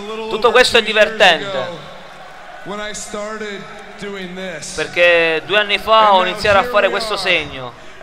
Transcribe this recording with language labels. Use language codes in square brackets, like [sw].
[it] Tutto questo è divertente. [en] When I started doing this. [it] Perché due anni fa ho iniziato a fare questo segno.